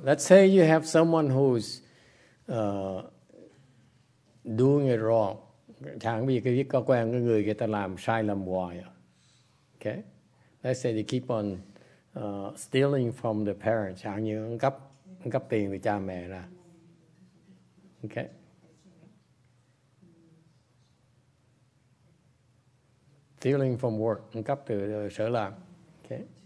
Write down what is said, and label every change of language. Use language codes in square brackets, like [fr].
[en] Let's say you have someone who's doing it wrong. [vi] Chẳng vì cái việc có quen cái người người ta làm sai lầm hoài. [en] Okay. Let's say they keep on stealing from the parents. [vi] Chẳng như ăn cắp tiền từ cha mẹ ra. [en] Okay. Stealing from work. [vi] Ăn cắp từ sở làm. [en] Okay.